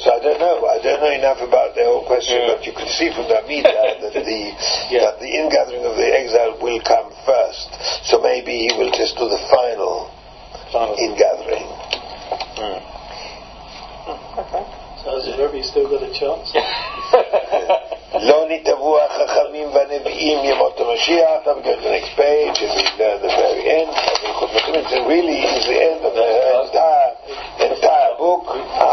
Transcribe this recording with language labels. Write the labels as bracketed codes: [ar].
[en] So I don't know enough about the whole question, but you can see from the media that the ingathering of the exile will come first. So maybe he will just do the final ingathering. Okay. So is Rebbe still got a chance? [he] לא נתבוע חכמים ונביאים ימות המשיח. [en] I'm going to the next page and we've learned the very end. It really is the end of the entire book.